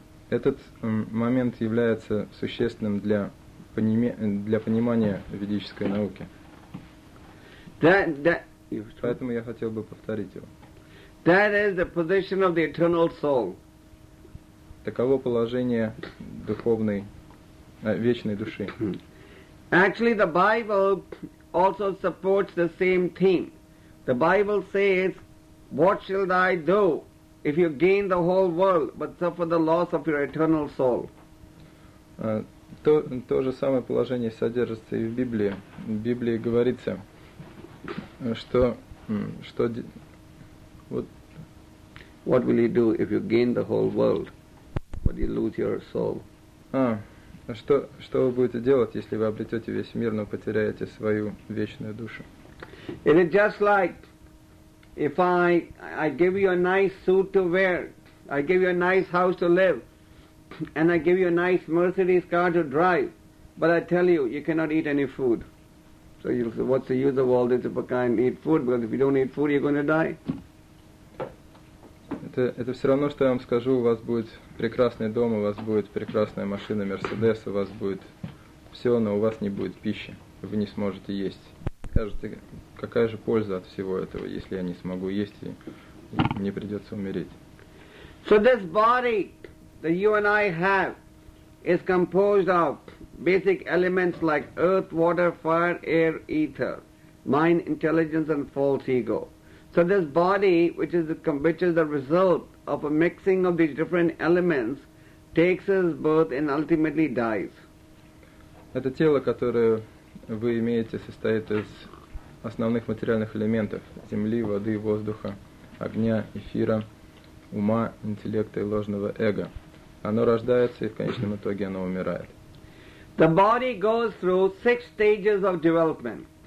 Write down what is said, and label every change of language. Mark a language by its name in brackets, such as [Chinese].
[Russian] Этот момент является существенным для понимания ведической науки. Поэтому я хотел бы повторить его. [English] That is the position of the eternal soul. [Russian] Таково положение духовной, вечной души. [English] Actually, the Bible also supports the same theme. The Bible says, "What shall I do if you gain the whole world but suffer the loss of your eternal soul?" [Russian] То же самое положение содержится и в Библии. В Библии говорится. [English] What will you do if you gain the whole world, but you lose your soul? [Russian] Что вы будете делать, если вы обретете весь мир, но потеряете свою вечную душу? [English] It is just like if I give you a nice suit to wear, I give you a nice house to live, and I give you a nice Mercedes car to drive, but I tell you, you cannot eat any food. So you say, what's the use of all this if I can't eat food? Because if you don't eat food, you're going to die. [Russian] Это все равно, что я вам скажу, у вас будет прекрасный дом, у вас будет прекрасная машина Mercedes, у вас будет все, но у вас не будет пищи, вы не сможете есть. Скажете, какая же польза от всего этого, если я не смогу есть и мне придется умереть? [English] So this body that you and I have is composed of basic elements like earth, water, fire, air, ether, mind, intelligence, and false ego. So this body, which is the result of a mixing of these different elements, takes its birth and ultimately dies. [Russian] Это тело, которое вы имеете, состоит из основных материальных элементов – земли, воды, воздуха, огня, эфира, ума, интеллекта и ложного эго. Оно рождается, и в конечном итоге оно умирает. [English] The body goes through 6 stages of development.